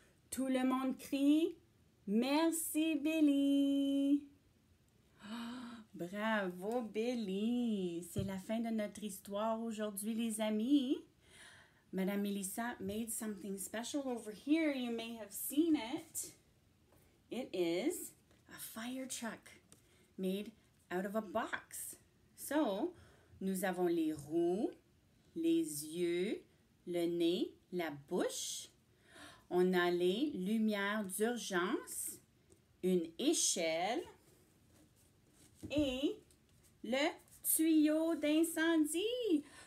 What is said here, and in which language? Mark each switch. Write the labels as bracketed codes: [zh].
[fr] Tout le monde crie « Merci, Billy! » Bravo, Billy! C'est la fin de notre histoire aujourd'hui, les amis. [en] Madame Melissa made something special over here. You may have seen it. It is a fire truck made out of a box. [fr] So, nous avons les roues, les yeux, le nez, la bouche. On a les lumières d'urgence, une échelle et le tuyau d'incendie.